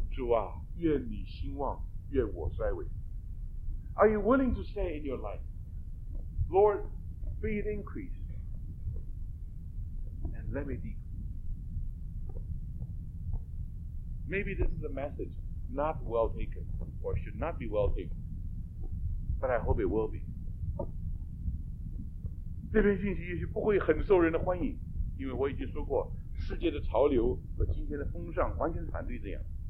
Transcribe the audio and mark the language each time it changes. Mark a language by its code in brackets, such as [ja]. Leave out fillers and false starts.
[zh] 能不能在我们的生命里面说，主啊，愿你兴旺，愿我衰微。 [en] Are you willing to say in your life, Lord, be it increased and let me decrease? Maybe this is a message not well taken or should not be well taken, but I hope it will be. [zh] 这篇信息也许不会很受人的欢迎，因为我已经说过，世界的潮流和今天的风尚完全反对这样。